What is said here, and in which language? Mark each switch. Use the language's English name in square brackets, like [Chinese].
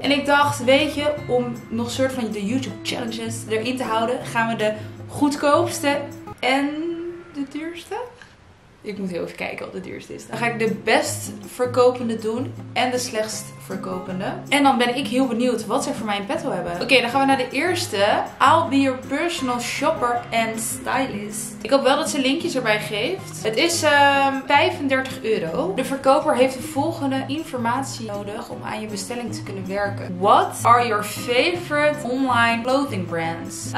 [Dutch] En ik dacht, weet je, om nog soort van de YouTube challenges erin te houden, gaan we de goedkoopste en de duurste... Ik moet heel even kijken wat de duurste is. Dan ga ik de best verkopende doen en de slechtst verkopende. En dan ben ik heel benieuwd wat ze voor mij in petto hebben. Oké, dan gaan we naar de eerste. [English] I'll be your personal shopper and stylist. [Dutch] Ik hoop wel dat ze linkjes erbij geeft. Het is 35 euro. De verkoper heeft de volgende informatie nodig om aan je bestelling te kunnen werken. [English] What are your favorite online clothing brands?